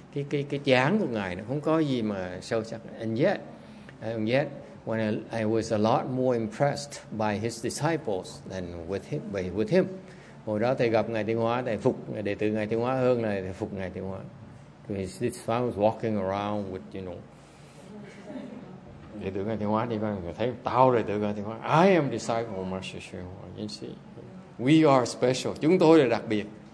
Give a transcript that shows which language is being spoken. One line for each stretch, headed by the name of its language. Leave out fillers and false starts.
Vietnamese: Cái dáng của ngài nó không có gì mà sâu sắc.
English: And yet when I was a lot more impressed by his disciples than with him.
Vietnamese: Hồi đó thầy gặp Ngài Tịnh Hóa, thầy phục đệ tử Ngài Tịnh Hóa hơn là thầy phục Ngài Tịnh Hóa.
English: His disciples walking around with, you know,
Vietnamese: đệ tử Ngài Tịnh Hóa đi vào thấy tao rồi, đệ tử Ngài Tịnh Hóa,
English: I am disciple of Master Sư Hòa, you see, we are special,
Vietnamese: chúng tôi là đặc biệt.